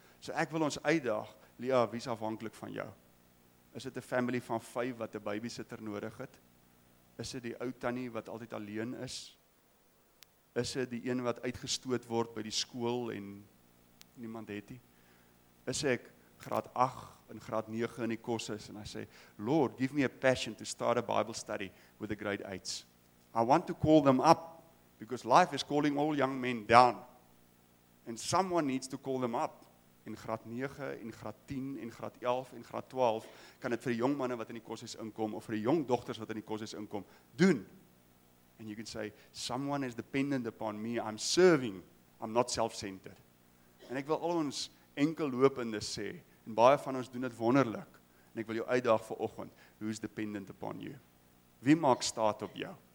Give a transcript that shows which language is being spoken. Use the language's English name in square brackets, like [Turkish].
[Afrikaans] So ek wil ons uitdaag, Lia, wie is afhankelijk van jou? Is dit 'n family van 5 wat 'n babysitter nodig het? Is dit die ou tannie wat altyd alleen is? Is dit die een wat uitgestoot word by die skool en niemand het nie? Is ek graad 8 en graad 9 in die kosses en hy sê, [English] Lord, give me a passion to start a Bible study with the grade 8s. I want to call them up because life is calling all young men down. And someone needs to call them up. [Afrikaans] In graad 9 en graad 10 en graad 11 en graad 12 kan dit vir die jong manne wat in die kosses inkom of vir die jong dogters wat in die kosses inkom doen. [English] And you can say, someone is dependent upon me. I'm serving. I'm not self-centered. [Afrikaans] En ek wil al ons enkellopendes sê, en baie van ons doen dit wonderlik, en ek wil jou uitdaag vir oggend, [English] who's dependent upon you? [Afrikaans] Wie maak staat op jou?